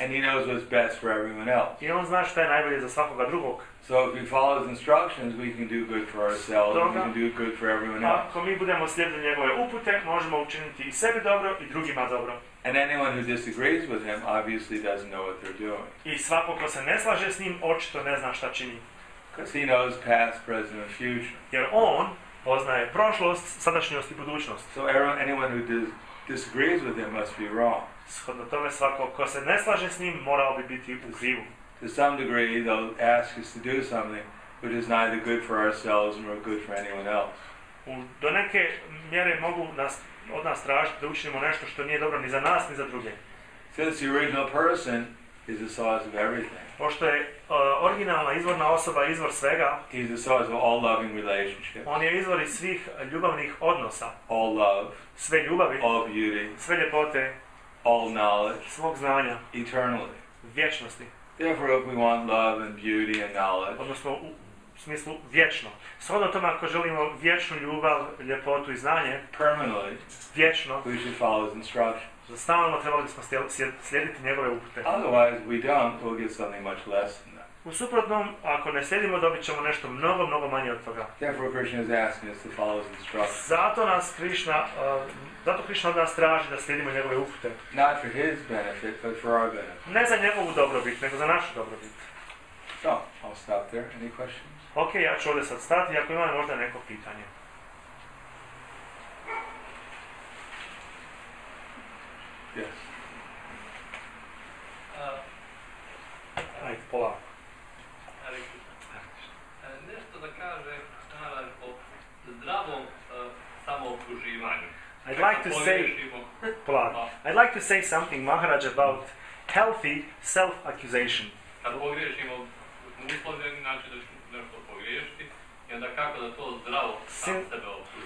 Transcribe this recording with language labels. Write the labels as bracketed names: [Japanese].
[English] And he knows what's best for everyone else. [Bosnian] I on zna što je najbolje za svakoga drugog. [English] So if we follow his instructions, we can do good for ourselves. Stoga, we can do good for everyone else. [Bosnian] Ako mi budemo slijediti njegove upute, možemo učiniti i sebi dobro i drugima dobro. [English] And anyone who disagrees with him obviously doesn't know what they're doing. [Bosnian] I svako ko se ne slaže s njim, očito ne zna šta čini. [English] Because he knows past, present, and future. [Bosnian] Jer on poznaje prošlost, sadašnjost i budućnost. [English] So anyone who disagrees with him must be wrong. [Bosnian] Shodno tome, svako ko se ne slaže s njim, morao bi biti u krivu. [English] To some degree, they'll ask us to do something which is neither good for ourselves nor good for anyone else. [Bosnian] Do neke mjere mogu nas od nas tražiti da učinimo nešto što nije dobro ni za nas ni za druge. [English] Since the original person is the source of everything. [Bosnian] Pošto je originalna izvorna osoba izvor svega. [English] He's the source of all loving relationships. [Bosnian] On je izvor iz svih ljubavnih odnosa. [English] All love. [Bosnian] Sve ljubavi. [English] All beauty. [Bosnian] Sve ljepote. [English] All knowledge. [Bosnian] Svog znanja. [English] Eternally. [Bosnian] Vječnosti. [English] Therefore, if we want love and beauty and knowledge. [Bosnian] Odnosno u smislu vječno. Shodno tome, ako želimo vječnu ljubav, ljepotu i znanje, [English] permanently, [Bosnian] vječno, [English] we should follow his instructions. [Bosnian] Za stalno trebali bismo slijediti njegove upute. [English] Otherwise, we don't, we'll get something much less than that. [Bosnian] U suprotnom, ako ne slijedimo, dobit ćemo nešto mnogo, mnogo manje od toga. [English] Therefore, Krishna is asking us to follow his instructions. [Bosnian] Zato nas Krishna, zato Krishna od nas traži da slijedimo njegove upute. [English] Not for his benefit, but for our benefit. [Bosnian] Ne za njegovu dobrobit, nego za našu dobrobit. [English] So, I'll stop there. Any questions? [Bosnian] Ok, ja ću ovdje sad stati, ako imam možda neko pitanje. [English] Yes. [Bosnian] Ajde, polako. Nešto da kaže o zdravom samookruživanju. [English] I'd like to say, polako, I'd like to say something, Maharaj, about healthy self-accusation. [Bosnian] Kad pogriješimo, mislo je znači da ću nešto pogriješiti, i onda kako da to zdravo sam sebe okruživanju.